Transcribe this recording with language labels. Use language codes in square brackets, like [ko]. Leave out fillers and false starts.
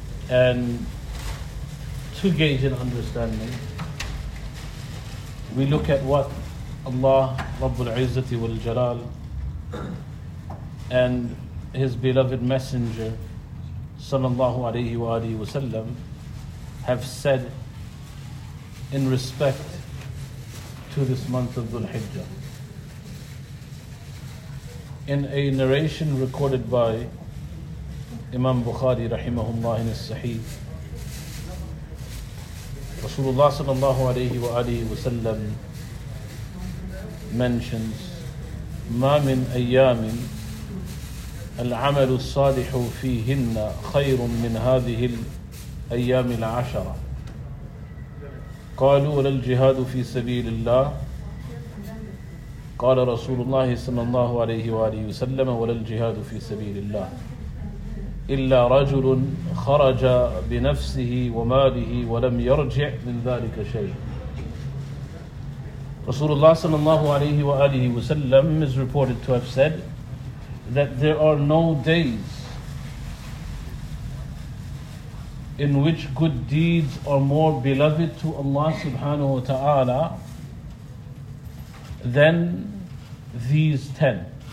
[en] And to gauge an understanding, we look at what Allah Rabbul Izzati wal Jalal and His beloved Messenger Sallallahu Alaihi wa Alihi Wasallam have said in respect to this month of Dhul Hijjah. In a narration recorded by Imam Bukhari rahimahullah in his Sahih, Rasulullah sallallahu alayhi wa alihi wa sallam mentions: [ar] مَا مِنْ أَيَّامٍ الْعَمَلُ الصَّالِحُ فِيهِنَّ خَيْرٌ مِّنْ هَذِهِ الْأَيَّامِ الْعَشَرَ قَالُوا لَا الْجِهَادُ فِي سَبِيلِ اللَّهِ قال رسول الله صلى الله عليه وآله وسلم: ولا الجهاد في سبيل الله إلا رجل خرج بنفسه وماله ولم يرجع من ذلك شيء. رسول الله صلى الله عليه وآله وسلم [en] is reported to have said that there are no days in which good deeds are more beloved to Allah subhanahu wa ta'ala than these 10.